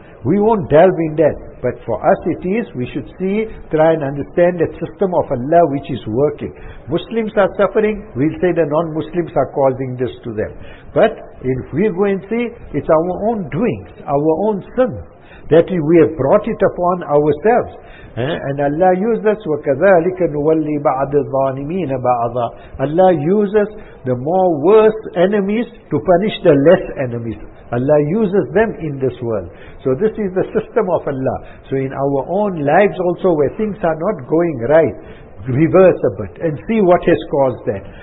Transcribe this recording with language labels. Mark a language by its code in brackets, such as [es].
[en] We won't delve in that. But for us it is, we should see, try and understand that system of Allah which is working. Muslims are suffering, we'll say the non-Muslims are causing this to them. But if we go and see, it's our own doings, our own sin, that we have brought it upon ourselves. And Allah uses, [ar] وَكَذَلِكَ نُوَلِّي بَعْدَ الظَّالِمِينَ بَعْضًا. [en] Allah uses the more worse enemies to punish the less enemies. Allah uses them in this world. So this is the system of Allah. So in our own lives also, where things are not going right, reverse a bit and see what has caused that.